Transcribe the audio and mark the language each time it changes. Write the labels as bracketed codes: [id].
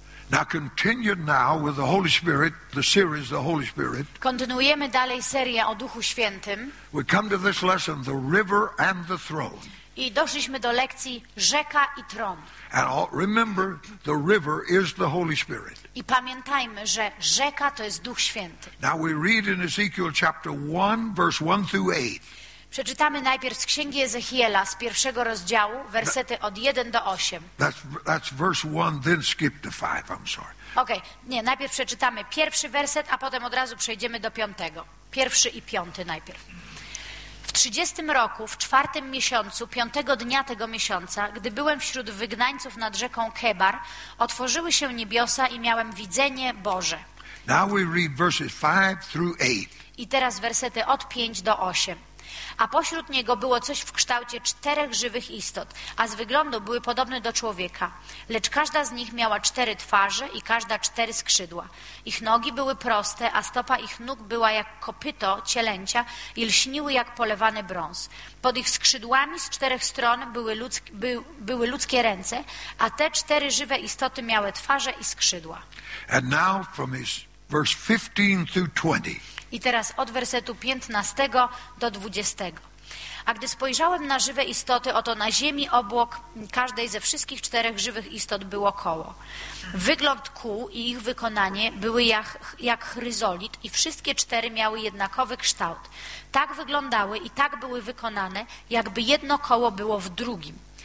[en] Now continue now with the Holy Spirit, the series of the Holy Spirit. [pl] Kontynuujemy dalej serię o Duchu Świętym. [en] We come to this lesson, the river and the throne. [pl] I doszliśmy do lekcji rzeka i tron. [en] And remember, the river is the Holy Spirit. [pl] I pamiętajmy, że rzeka to jest Duch Święty. [en] Now we read in Ezekiel chapter 1, verse 1 through 8. [pl] Przeczytamy najpierw z Księgi Ezechiela z pierwszego rozdziału, wersety od 1 do 8. [en] That's verse 1, then skip to 5, I'm sorry. [pl] Okej, nie, najpierw przeczytamy pierwszy werset, a potem od razu przejdziemy do piątego. Pierwszy i piąty najpierw. W 30 roku, w 4 miesiącu, 5 dnia tego miesiąca, gdy byłem wśród wygnańców nad rzeką Kebar, otworzyły się niebiosa i miałem widzenie Boże. [en] Now we read verses 5 through 8. [pl] I teraz wersety od 5 do 8. A pośród niego było coś w kształcie czterech żywych istot, a z wyglądu były podobne do człowieka. Lecz każda z nich miała cztery twarze i każda cztery skrzydła. Ich nogi były proste, a stopa ich nóg była jak kopyto cielęcia i lśniły jak polewany brąz. Pod ich skrzydłami z czterech stron były ludzkie ręce, a te cztery żywe istoty miały twarze i skrzydła. [en] And now from his verse 15 through 20. [pl] I teraz od wersetu 15 do 20. A gdy spojrzałem na żywe istoty, oto na ziemi obłok każdej ze wszystkich czterech żywych istot było koło. Wygląd kół i ich wykonanie były jak chryzolit i wszystkie cztery miały jednakowy kształt. Tak wyglądały i tak były wykonane, jakby jedno koło było w drugim.